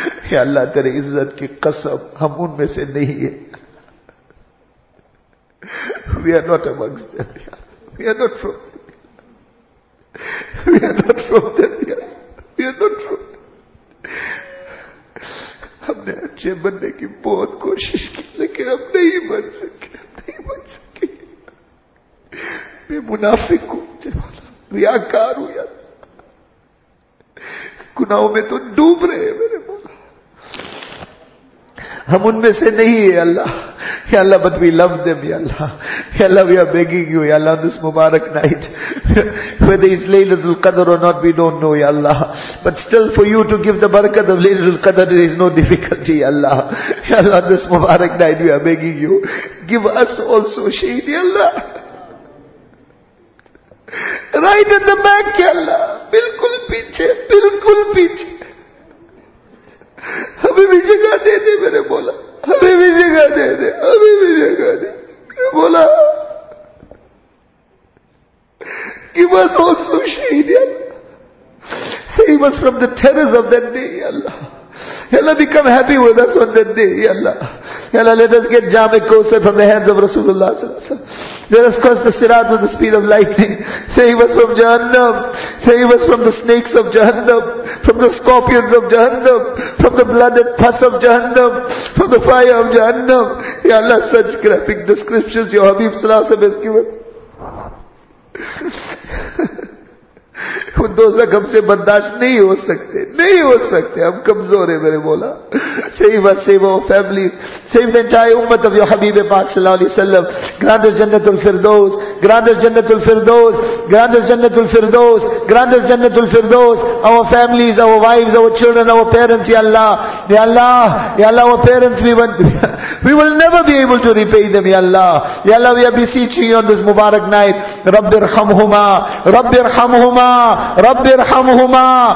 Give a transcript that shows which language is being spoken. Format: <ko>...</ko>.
<ur>Ya Allah, Tere Izzat ki qasam, hum unme se nahi hai.</ur> <en>We are not amongst them, Ya Allah. We are not from them. We are not from them, Ya Allah. We are not from them.</en> <ur>ہم نے اچھے بننے کی بہت کوشش کی لیکن ہم نہیں بن سکے, ہم نہیں بن سکے. میں منافق ہوں, ریاکار ہوں, یا گناہوں میں تو ڈوب رہے ہیں میرے مولا, ہم ان میں سے نہیں ہے اللہ.</ur> <en>یا اللہ but we love them یا اللہ, یا اللہ we are begging you یا اللہ on this مبارک night, whether it's Laylatul Qadr or not we don't know یا اللہ, but still for you to give the barakat of Laylatul Qadr there is no difficulty یا اللہ.</en> <ur>یا اللہ</ur> <en>on this مبارک night we are begging you, give us also</en> <ur>شہید یا اللہ,</ur> <en>right at the back</en> <ur>یا اللہ, بالکل پیچھے, بالکل پیچھے, ہمیں بھی جگہ دے دے میرے بولا, ہمیں بھی جگہ دے دے, ہمیں بھی جگہ دے میرے بولا,</ur> <en>give us also شہید یا اللہ, save us from the terrors of that day یا اللہ, یا اللہ become happy with us on that day یا اللہ, یا اللہ let us get جامع کوثر from the hands of رسول اللہ صلی اللہ علیہ وسلم, let us cross the صراط with the speed of lightning, save us from جہنم, save us from the snakes of جہنم, from the scorpions of جہنم, from the blooded pus of جہنم, from the fire of جہنم. یا اللہ such graphic descriptions your حبیب صلی اللہ علیہ وسلم has given.</en> <ur>دوزخ ہم سے برداشت نہیں ہو سکتے, نہیں ہو سکتے, ہم کمزور ہیں میرے مولا.</ur> <en>Save us, save our families, save the entire ummat of your حبیب پاک صلی اللہ علیہ وسلم. Grant us جنت الفردوس, grant us جنت الفردوس, grant us جنت الفردوس, grant us جنت الفردوس. Our families, our wives, our children, our parents, ya Allah, ya Allah, ya Allah, our parents, we will never be able to repay them, ya Allah, ya Allah, we are beseeching you on this mubarak night,</en> <ar>rabbirhamhuma, rabbirhamhuma, rabbirhamhuma,</ar>